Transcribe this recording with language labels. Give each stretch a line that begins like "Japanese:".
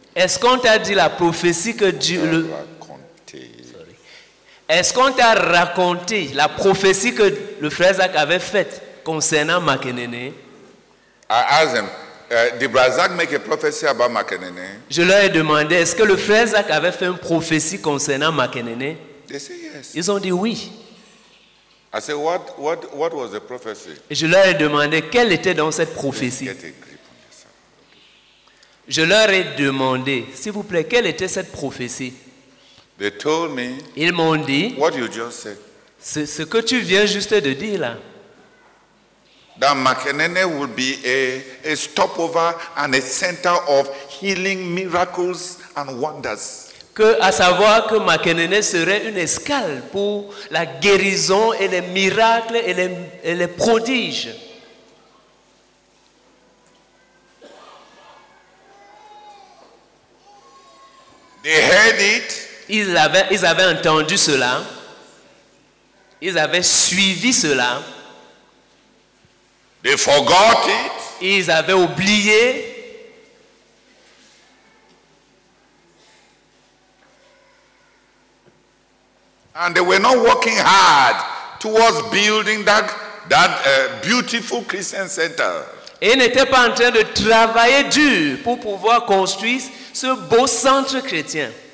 French: Est-ce qu'on t'a dit la prophétie que Dieu le raconté? Est-ce qu'on t'a raconté la prophétie que le frère Zach avait faite concernant Makenene?
English: I asked him, did Brazak make a prophecy about Makenene?
French: Je leur ai demandé, est-ce que le frère Zach avait fait une prophétie concernant Makenene?
English: They say yes.
French: Ils ont dit oui.
English: I said, what was the prophecy?
French: Je leur ai demandé quelle était dans cette prophétie.
English: Get a grip on
French: je leur ai demandé, s'il vous plaît, quelle était cette prophétie?
English: They told me,
French: ils m'ont dit
English: what you just said.
French: Ce que tu viens juste de dire là.
English: That Makenene would be a stopover and a center of healing, miracles and wonders.
French: Que, à savoir que Makenene serait une escale pour la guérison et les miracles et les prodiges.
English: They heard it.
French: Ils avaient entendu cela. Ils avaient suivi cela.
English: They forgot it.
French: Ils avaient oublié.
English: And they were not working hard towards building that beautiful Christian center.
French: Et ils n'étaient pas en train de travailler dur pour pouvoir construire ce beau centre chrétien.